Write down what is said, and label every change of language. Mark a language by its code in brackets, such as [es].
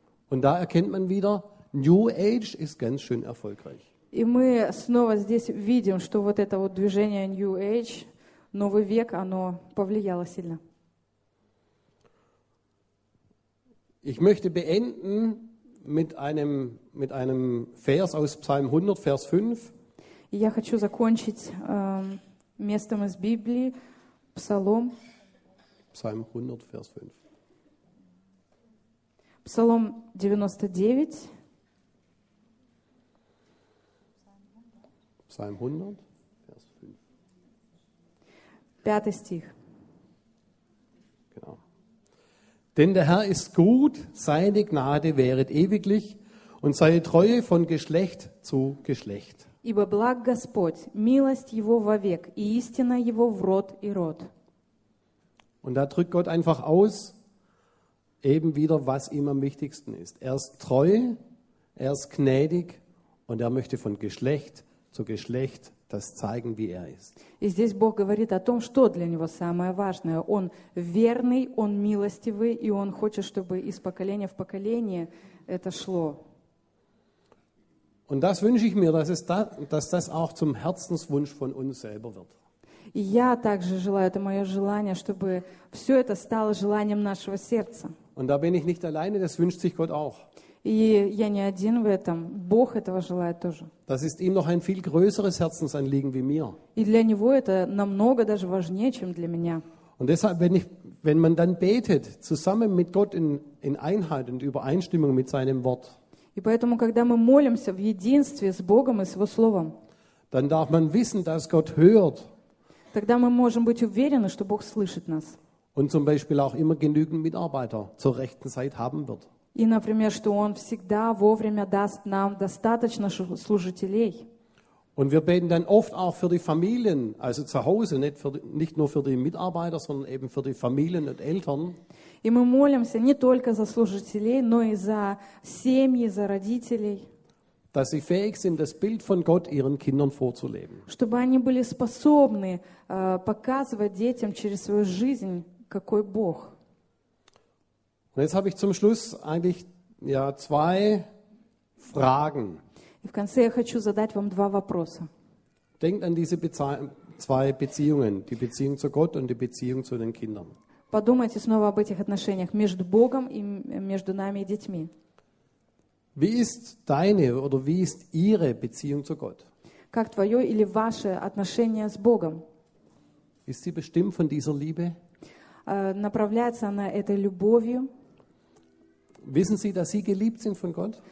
[de] Und da erkennt man wieder, New Age ist ganz schön erfolgreich. [ru] И мы снова здесь видим, что вот это вот движение New Age, новый век, оно повлияло сильно. [de] Ich möchte beenden mit einem Vers aus Psalm 100, Vers 5. [ru] И я хочу закончить местом из Библии, Псалом. [de] Psalm 100, Vers 5. Psalm 99. Psalm 100, Vers 5. [ru] Пятый стих. [de] Genau. Denn der Herr ist gut, seine Gnade währet ewiglich und seine Treue von Geschlecht zu Geschlecht. [ru] Ибо благ Господь, милость Его вовек, и истина Его в род и род. [de] Und da drückt Gott einfach aus, eben wieder, was ihm am wichtigsten ist. Er ist treu, er ist gnädig und er möchte von Geschlecht zu Geschlecht das zeigen, wie er ist. [ru] И здесь Бог говорит о том, что для него самое важное. Он верный, он милостивый и он хочет, чтобы из поколения в поколение это шло. [de] Und das wünsche ich mir, dass das auch zum Herzenswunsch von uns selber wird. [ru] Я также желаю, это мое желание, чтобы все это стало желанием нашего сердца. [de] Und da bin ich nicht alleine, das wünscht sich Gott auch. [ru] И я не один в этом. Бог этого желает тоже. [de] Das ist ihm noch ein viel größeres Herzensanliegen wie mir. [ru] И для него это намного даже важнее, чем для меня. [de] Und deshalb, wenn man dann betet, zusammen mit Gott in Einheit und Übereinstimmung mit seinem Wort, [ru] и поэтому, когда мы молимся в единстве с Богом и с Его Словом, [de] dann darf man wissen, dass Gott hört. [ru] Тогда мы можем быть уверены, что Бог слышит нас. [de] Und zum Beispiel auch immer genügend Mitarbeiter zur rechten Zeit haben wird. [ru] И, например, что Он всегда вовремя даст нам достаточно служителей. [de] Und wir beten dann oft auch für die Familien, also zu Hause, nicht nur für die Mitarbeiter, sondern eben für die Familien und Eltern. [ru] И мы молимся не только за служителей, но и за семьи, за родителей. [de] Dass sie fähig sind, das Bild von Gott ihren Kindern vorzuleben. [ru] Чтобы они были способны показывать детям через свою жизнь, какой Бог. [de] Und jetzt habe ich zum Schluss eigentlich ja zwei Fragen. [ru] И в конце я хочу задать вам два вопроса. [de] Denkt an diese zwei Beziehungen, die Beziehung zu Gott und die Beziehung zu den Kindern. [ru] Подумайте снова об этих отношениях между Богом и между нами и детьми. [de] Wie ist deine oder wie ist ihre Beziehung zu Gott? [ru] Как твое или ваше отношение с Богом? [de] Ist sie bestimmt von dieser Liebe? [ru] Направляется она этой любовью? [de] Wissen Sie, dass Sie geliebt sind von Gott?